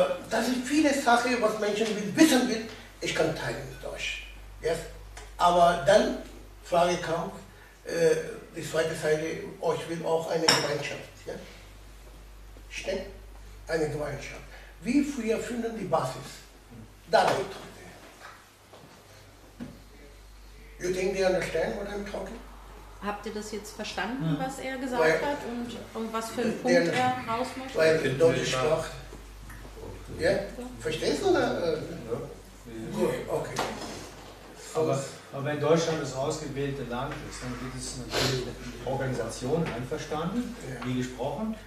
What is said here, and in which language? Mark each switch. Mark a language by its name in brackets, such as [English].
[German] Das sind viele Sachen, was Menschen wissen will, ich kann teilen mit euch. Yes? Aber dann, Frage kam, die zweite Seite, euch will auch eine Gemeinschaft. Yes? Stimmt? Eine Gemeinschaft. Wie früher finden die Basis? Damit. [English] You think they understand what I'm talking? [German] Habt ihr das jetzt verstanden, was er gesagt hat und was für einen Punkt er raus möchte? Weil in deutscher Sprache. Ja? Verstehst du oder? Ja. Gut, okay. Aber wenn Deutschland das ausgewählte Land ist, dann wird es natürlich mit der Organisation einverstanden, wie gesprochen.